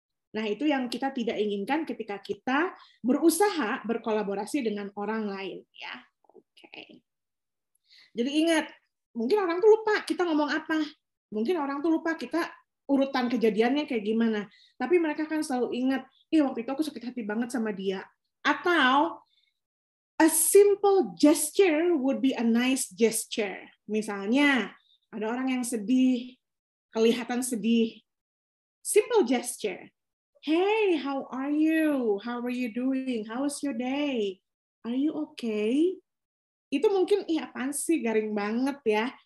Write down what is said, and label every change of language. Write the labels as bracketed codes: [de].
[id] Nah, itu yang kita tidak inginkan ketika kita berusaha berkolaborasi dengan orang lain ya. Oke. Jadi ingat, mungkin orang tuh lupa kita ngomong apa. Mungkin orang tuh lupa kita urutan kejadiannya kayak gimana. Tapi mereka kan selalu ingat, "Ih, waktu itu aku sakit hati banget sama dia." Atau [en] a simple gesture would be a nice gesture. [id] Misalnya, ada orang yang sedih, kelihatan sedih. [en] Simple gesture. Hey, how are you? How are you doing? How was your day? Are you okay? [id] Itu mungkin, iya apaan sih, garing banget ya.